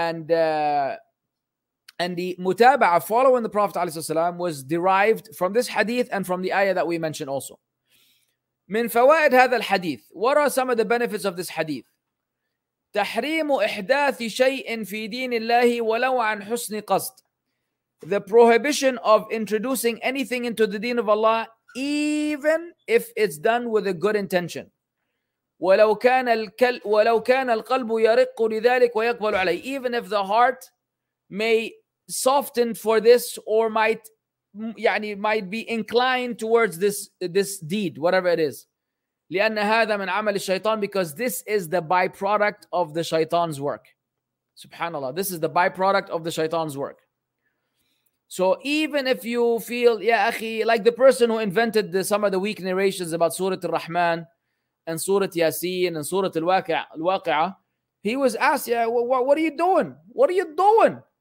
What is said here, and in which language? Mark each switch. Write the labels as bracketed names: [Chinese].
[English] And the متابعة, following the Prophet عليه الصلاة والسلام, was derived from this hadith and from the ayah that we mentioned also. [Arabic] من فوائد هذا الحديث, [English] what are some of the benefits of this hadith? [Arabic] تحريم إحداث شيء في دين الله ولو عن حسن قصد. [English] The prohibition of introducing anything into the deen of Allah, even if it's done with a good intention. [Arabic] ولو كان القلب يرق لذلك ويقبل عليه. [English] Even if the heart may soften for this, or might, يعني, might be inclined towards this deed, whatever it is. [Arabic] لأن هذا من عمل الشيطان, [English] because this is the byproduct of the shaitan's work. Subhanallah, this is the byproduct of the shaitan's work. So even if you feel, [Arabic] يا أخي, [English] like the person who invented some of the weak narrations about Surah Ar-Rahman and Surah Yasin and Surah Al-Waqi'ah, he was asked, yeah, what are you doing? What are you doing?